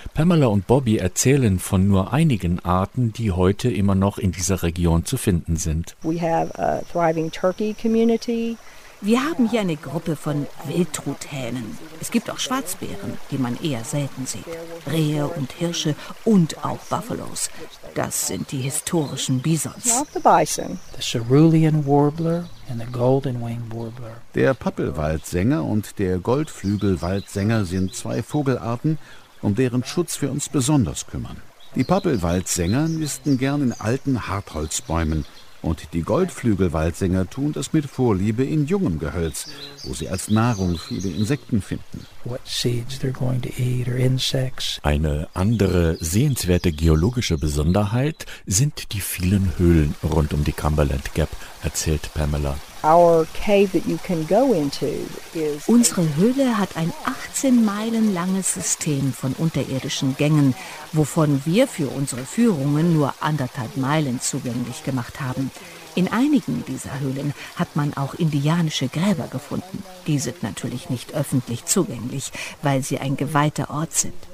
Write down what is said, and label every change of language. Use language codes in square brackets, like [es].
[de] Pamela und Bobby erzählen von nur einigen Arten, die heute immer noch in dieser Region zu finden sind. Wir haben eine [en] thriving Turkey-Community. [de] Wir haben hier eine Gruppe von Wildtruthähnen. Es gibt auch Schwarzbären, die man eher selten sieht. Rehe und Hirsche und auch Buffalos. Das sind die historischen Bisons. [en] The Cerulean Warbler and the Golden-winged Warbler. [de] Der Pappelwaldsänger und der Goldflügelwaldsänger sind 2 Vogelarten, um deren Schutz wir uns besonders kümmern. Die Pappelwaldsänger nisten gern in alten Hartholzbäumen. Und die Goldflügelwaldsänger tun das mit Vorliebe in jungem Gehölz, wo sie als Nahrung viele Insekten finden. [en] What seeds they're going to eat or insects. [de] Eine andere sehenswerte geologische Besonderheit sind die vielen Höhlen rund um die Cumberland Gap, erzählt Pamela. [en] Our cave that you can go into is [de] Unsere Höhle hat ein 18 Meilen langes System von unterirdischen Gängen, wovon wir für unsere Führungen nur 1,5 Meilen zugänglich gemacht haben. In einigen dieser Höhlen hat man auch indianische Gräber gefunden. Die sind natürlich nicht öffentlich zugänglich, weil sie ein geweihter Ort sind.